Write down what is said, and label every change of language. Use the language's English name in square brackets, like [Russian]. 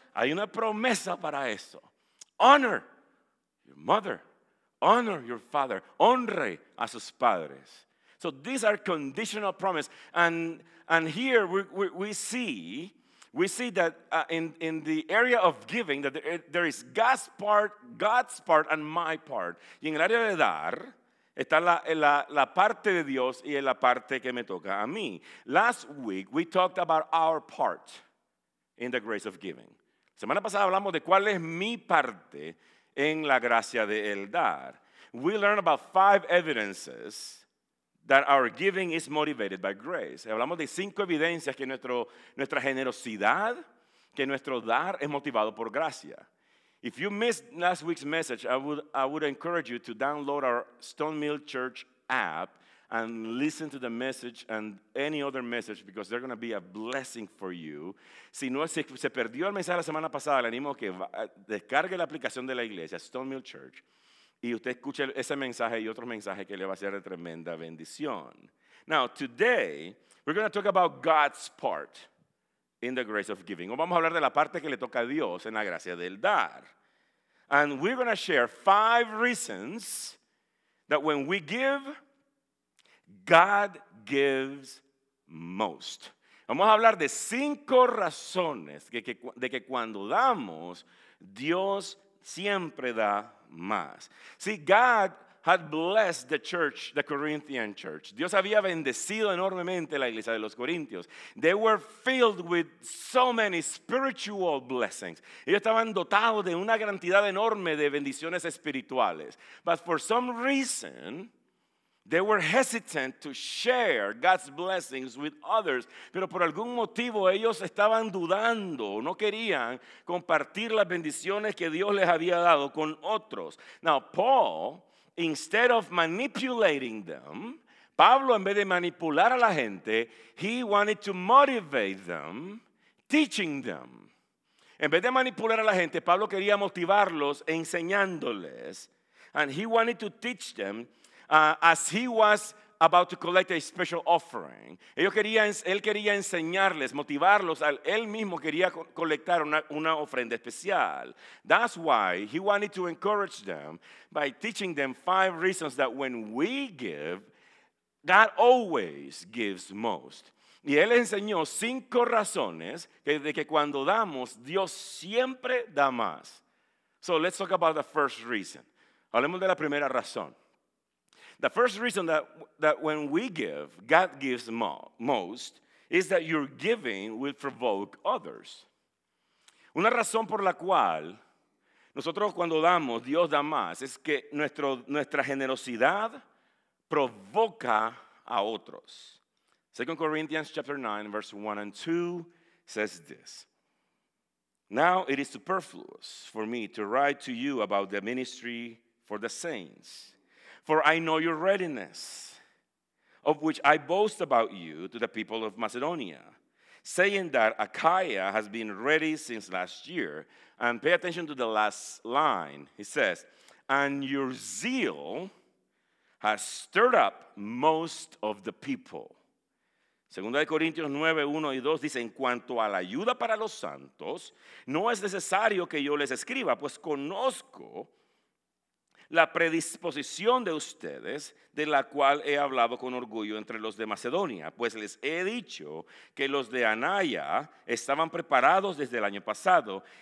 [Spanish] Hay una promesa para eso. [English] Honor your mother, honor your father, [Spanish] honre a sus padres. [English] So these are conditional promises. And here we see we see that in the area of giving, that there is God's part and my part. [Spanish] Y en el área de dar, está la parte de Dios y la parte que me toca a mí. [English] Last week, we talked about our part in the grace of giving. [Spanish] Semana pasada hablamos de cuál es mi parte en la gracia de el dar. [English] We learned about 5 evidences that our giving is motivated by grace. [Spanish] Hablamos de 5 evidencias que nuestra generosidad, que nuestro dar es motivado por gracia. [English] If you missed last week's message, I would encourage you to download our Stone Mill Church app and listen to the message and any other message because they're going to be a blessing for you. [Spanish] Si no se perdió el mensaje la semana pasada, le animo a que descargue la aplicación de la iglesia, Stone Mill Church, y usted escuche ese mensaje y otro mensaje que le va a ser de tremenda bendición. [English] Now, today, we're going to talk about God's part in the grace of giving. [Spanish] O vamos a hablar de la parte que le toca a Dios en la gracia del dar. [English] And we're going to share 5 reasons that when we give, God gives most. [Spanish] Vamos a hablar de 5 razones de que cuando damos, Dios siempre da más. [English] See, God had blessed the church, the Corinthian church. [Spanish] Dios había bendecido enormemente la iglesia de los Corintios. [English] They were filled with so many spiritual blessings. [Spanish] Ellos estaban dotados de una cantidad enorme de bendiciones espirituales. [English] But for some reason, they were hesitant to share God's blessings with others. [Spanish] Pero por algún motivo ellos estaban dudando, no querían compartir las bendiciones que Dios les había dado con otros. [English] Now, Paul, instead of manipulating them, [Spanish] Pablo, en vez de manipular a la gente, [English] he wanted to motivate them, teaching them. [Spanish] En vez de manipular a la gente, Pablo quería motivarlos enseñándoles. [English] And he wanted to teach them as he was about to collect a special offering. [Spanish] Él quería enseñarles, motivarlos. Él mismo quería colectar una ofrenda especial. [English] That's why he wanted to encourage them by teaching them 5 reasons that when we give, God always gives most. [Spanish] Y él enseñó 5 razones de que cuando damos, Dios siempre da más. [English] So let's talk about the first reason. [Spanish] Hablemos de la primera razón. [English] The first reason that when we give, God gives most, is that your giving will provoke others. [Spanish] Una razón por la cual nosotros cuando damos, Dios da más, es que nuestra generosidad provoca a otros. [English] 2 Corinthians chapter 9, verse 1 and 2 says this. Now it is superfluous for me to write to you about the ministry for the saints. For I know your readiness, of which I boast about you to the people of Macedonia, saying that Achaia has been ready since last year. And pay attention to the last line. He says, and your zeal has stirred up most of the people. [Spanish] Segunda de Corintios 9, 1 y 2 dice, en cuanto a la ayuda para los santos, no es necesario que yo les escriba, pues conozco la predisposición de ustedes, de la cual he hablado con orgullo entre los de Macedonia, pues les he dicho que los de Anaya estaban preparados desde el año pasado.